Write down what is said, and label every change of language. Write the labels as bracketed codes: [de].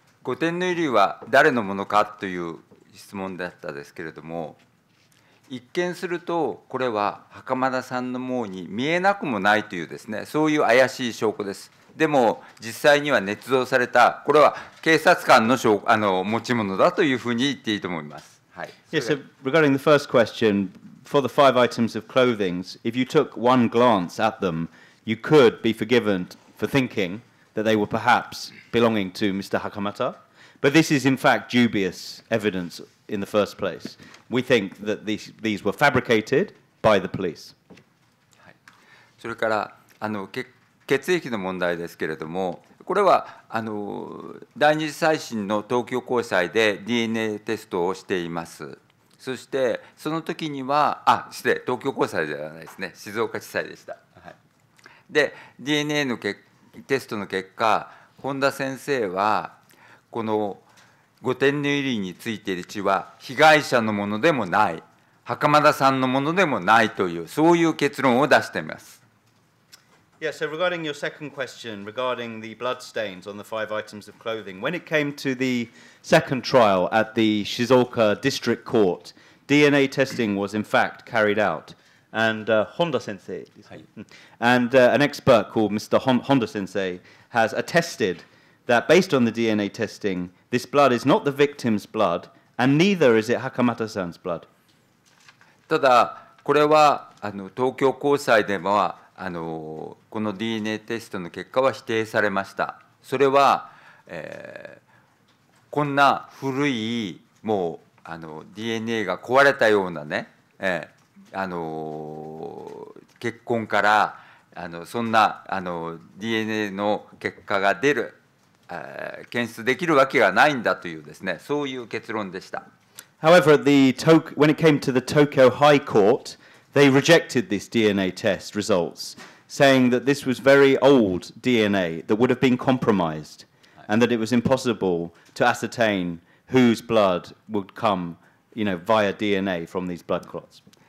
[ja] 五点の衣類は誰のものかという質問だったですけれども、一見するとこれは袴田さんのものに見えなくもないというですね、そういう怪しい証拠です。でも実際には捏造された、これは警察官 の、 証あの持ち物だというふうに言っていいと思います。はい。 [en] Yes, so regarding the first question, for the five items of clothing, if you took one glance at them, you could be forgiven for thinkingthat they were perhaps belonging to Mr. Hakamata. But this is in fact dubious evidence in the first place. We think that these were fabricated by the police. [ja] それから血液の問題ですけれども、これは第二次再審の東京高裁で DNA テストをしています。そしてその時には、失礼、東京高裁ではないですね、静岡地裁でした。はい、で、DNA のテストの結果、本田先生は、この御殿の衣類についている血は被害者のものでもない、袴田さんのものでもないという、そういう結論を出しています。 [en] Yeah, so regarding your second question regarding the blood stains on the five items of clothing, when it came to the second trial at the Shizuoka District Court, DNA testing was in fact carried out. And Honda-sensei, and an expert called Mr. Honda-sensei has attested that based on the DNA testing, this blood is not the victim's blood, and neither is it Hakamata-san's blood. [ja] ただ、これは東京高裁でもこの DNA テストの結果は否定されました。それは、こんな古いもうDNA が壊れたようなね、血痕からそんな DNA の結果が出る、検出できるわけがないんだというですね、そういう結論でした。 [en] However, when it came to the Tokyo High Court,They rejected this DNA test results, saying that this was very old DNA that would have been compromised, and that it was impossible to ascertain whose blood would come, you know, via DNA from these blood clots.